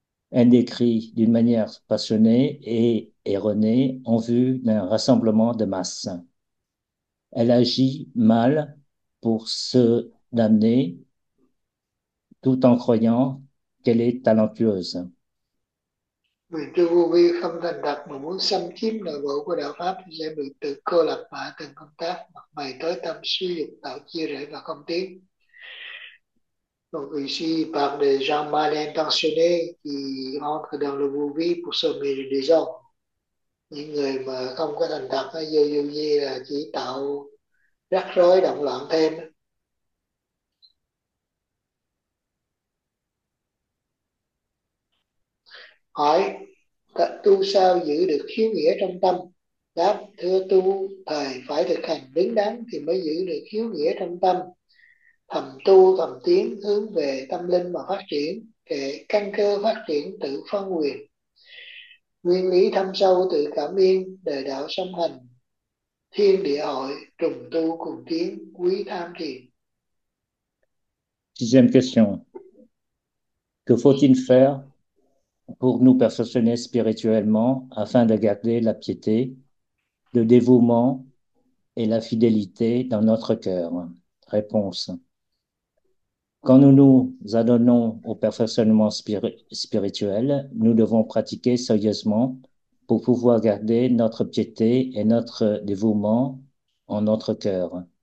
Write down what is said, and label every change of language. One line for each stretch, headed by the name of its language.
French: Elle décrit d'une manière passionnée et erronée en vue d'un rassemblement de masse. Elle agit mal pour se damner tout en croyant qu'elle est talentueuse.
Vietnamese: Người tu vô vi không thành thật mà muốn xâm chiếm nội bộ của đạo pháp sẽ bị tự cô lập và hạ tầng công tác, mặt mày tối tăm, suy dục, tạo chia rẽ và không tiến.
French: Donc ici parle des gens mal intentionnés qui entrent dans le vô vi pour se mêler des gens.
Vietnamese: Những người mà không có thành thật vô vi là chỉ tạo rắc rối động loạn thêm. Hỏi: tu sao giữ được hiếu nghĩa trong tâm? Đáp: thưa tu, thầy phải thực hành đứng đắn thì mới giữ được hiếu nghĩa trong tâm. Thầm tu thầm tiến hướng về tâm linh mà phát triển, kệ căn cơ phát triển tự phân quyền. Nguyên lý thâm sâu tự cảm yên, đời đạo song hành, thiên địa hội, trùng tu cùng tiến, quý tham thiền.
French: Sixième question. Que faut-il faire pour nous perfectionner spirituellement afin de garder la piété, le dévouement et la fidélité dans notre cœur? Réponse. Quand nous nous adonnons au perfectionnement spirituel, nous devons pratiquer sérieusement pour pouvoir garder notre piété et notre dévouement en notre cœur.